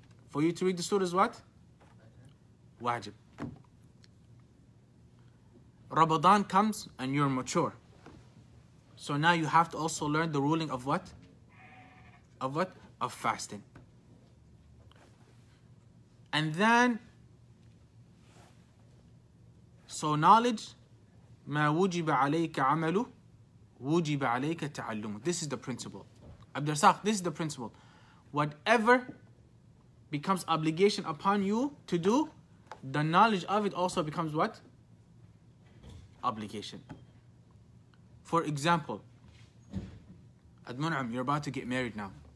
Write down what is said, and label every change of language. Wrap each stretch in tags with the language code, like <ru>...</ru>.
<en>For you to read the surah is what? Wajib. Ramadan comes and you're mature. So now you have to also learn the ruling of what? Of what? Of fasting. And then, so knowledge,</en> <ar>مَا وُجِبَ عَلَيْكَ عَمَلُ وُجِبَ عَلَيْكَ تَعَلُّمُ.</ar> <en>This is the principle. Abdursaq, this is the principle. Whatever becomes obligation upon you to do, the knowledge of it also becomes what? Obligation. For example, Admun'am, you're about to get married now.</en>